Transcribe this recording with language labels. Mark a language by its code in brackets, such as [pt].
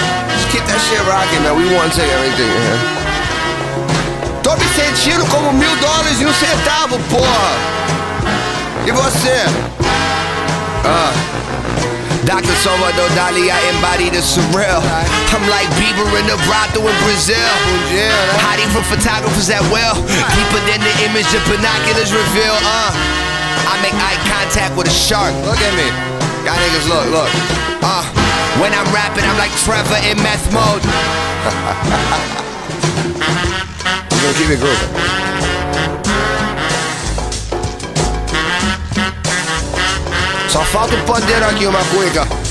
[en] Just keep that shit rocking, man. We want to take everything, man. [pt] Tô me sentindo como $1,000 e centavo, porra! E você? [en] Dr. Salvador Dali, I embody the surreal. I'm like Bieber in the brothel in Brazil. Hiding from photographers at will. Deeper than the image the binoculars reveal. I make eye contact with a shark. Look at me. Y'all niggas, look, look. When I'm rapping, I'm like Trevor in meth mode. We're gonna keep it grooving. [pt] Só falta o pandeiro aqui, uma cuica.